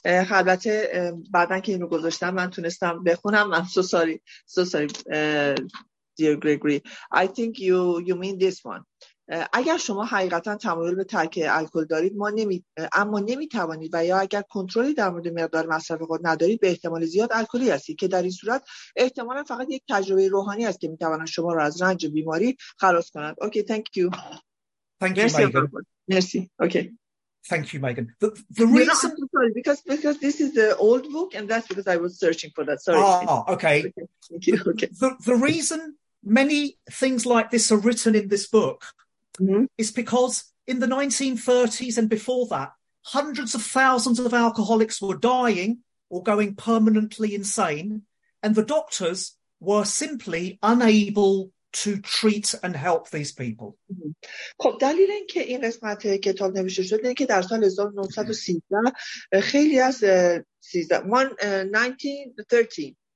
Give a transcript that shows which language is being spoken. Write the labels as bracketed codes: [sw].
[fa] البته بعدن که اینو گذاشتم من تونستم بخونم. [en] I'm so sorry. Dear Gregory, I think you mean this one. [fa] اگر شما حقیقتا تمایل به ترک الکل دارید اما نمیتوانید و یا اگر کنترلی در مورد مقدار مصرف خود ندارید به احتمال زیاد الکلی هستید که در این صورت احتمالا فقط یک تجربه روحانی است که میتواند شما را از رنج بیماری خلاص کند. [en] Okay thank you Megan. مرسی. Okay thank you Megan. The reason you know, I'm so sorry because this is the old book and that's because I was searching for that. Sorry. Okay. Okay. The reason many things like this are written in this book Mm-hmm. It's because in the 1930s and before that, hundreds of thousands of alcoholics were dying or going permanently insane, and the doctors were simply unable to treat and help these people. [fa] خب دلیل این که این قسمت کتاب نوشته شده اینه که در سال 1913 خیلی از 1913